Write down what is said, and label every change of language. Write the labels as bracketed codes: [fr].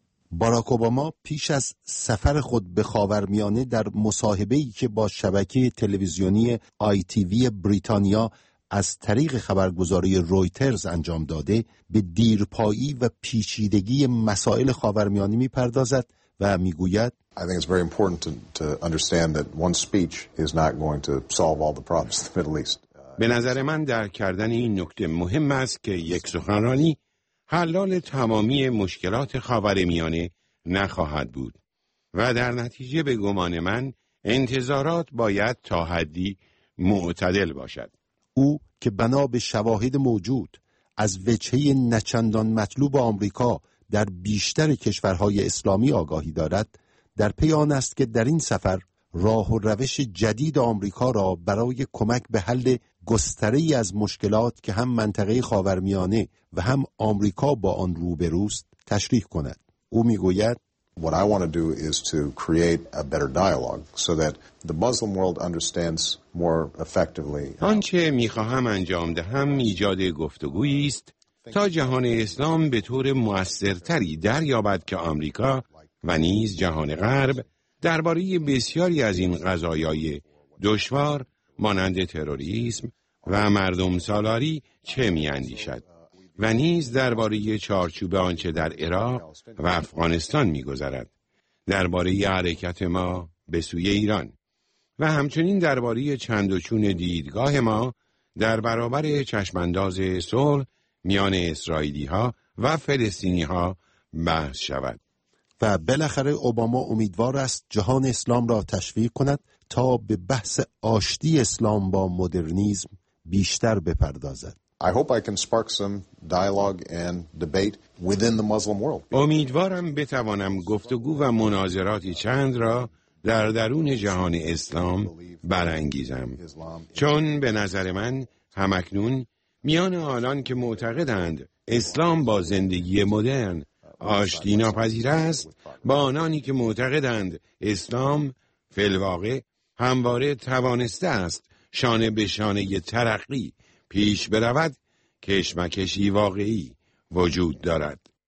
[fa] باراک اوباما پیش از سفر خود به خاورمیانه در مصاحبه‌ای که با شبکه تلویزیونی آی تی وی بریتانیا از طریق خبرگزاری رویترز انجام داده به دیرپایی و پیچیدگی مسائل خاورمیانه میپردازد و میگوید [en] I think it's very important to understand that one speech is not going to solve all the problems in the Middle East. [fa] به نظر من درک کردن این نکته مهم است که یک سخنرانی حلال تمامی مشکلات خاورمیانه نخواهد بود. و در نتیجه به گمان من انتظارات باید تا حدی معتدل باشد. او که بنا به شواهد موجود از وجهه نچندان مطلوب آمریکا در بیشتر کشورهای اسلامی آگاهی دارد، در پی آن است که در این سفر راه و روش جدید آمریکا را برای کمک به حل گستره‌ای از مشکلات که هم منطقه خاورمیانه و هم آمریکا با آن روبروست تشریح کند. او میگوید: [en] What I want to do is to create a better dialogue so that the Muslim world understands more effectively. [fa] آنچه میخواهم انجام دهم ایجاد گفتگویی است تا جهان اسلام به طور موثرتری دریابد که آمریکا و نیز جهان غرب درباره بسیاری از این قضایای دشوار مانند تروریسم و مردم سالاری چه می‌اندیشد و نیز درباره چارچوب آنچه در عراق و افغانستان می‌گذرد، درباره حرکت ما به سوی ایران و همچنین درباره چند و چون دیدگاه ما در برابر چشم‌انداز صلح میان اسرائیلی‌ها و فلسطینی‌ها بحث شود. و بالاخره اوباما امیدوار است جهان اسلام را تشویق کند تا به بحث آشتی اسلام با مدرنیسم بیشتر بپردازد. [en] I hope I can spark some dialogue and debate within the Muslim world. [fa] امیدوارم بتوانم گفتگو و مناظراتی چند را در درون جهان اسلام برانگیزم. چون به نظر من همکنون میان آنان که معتقدند اسلام با زندگی مدرن آشتی ناپذیر است، با آنانی که معتقدند اسلام فی‌الواقع همواره توانسته است شانه به شانه ترقی پیش برود، کشمکشی واقعی وجود دارد.